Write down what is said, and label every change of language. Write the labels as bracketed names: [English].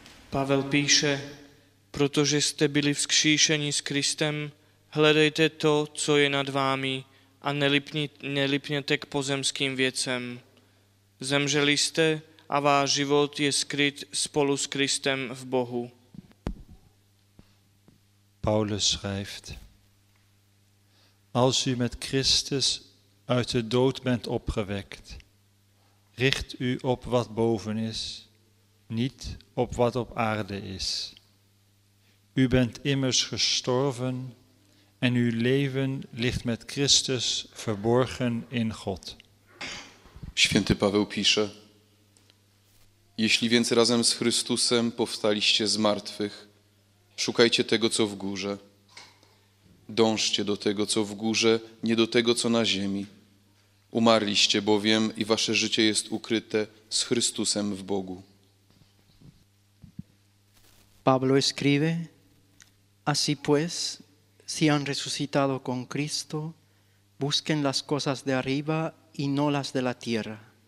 [Czech] Pavel píše, protože jste byli vzkříšeni s Kristem, hledejte to, co je nad vámi, a nelipněte k pozemským věcem. Zemřeli jste a váš život je skryt spolu s Kristem v Bohu. [Dutch] Paulus schrijft, als u met Christus uit de dood bent opgewekt, richt u op wat boven is, niet op wat op aarde is. U bent immers gestorven en uw leven ligt met Christus verborgen in God. [Polish] Święty Paweł pisze, Jeśli więc razem z Chrystusem powstaliście z martwych, szukajcie tego, co w górze. Dążcie do tego, co w górze, nie do tego, co na ziemi. Umarliście bowiem i wasze życie jest ukryte z Chrystusem w Bogu. [Spanish] Pablo escribe, Así pues, si han resucitado con Cristo, busquen las cosas de arriba y no las de la tierra.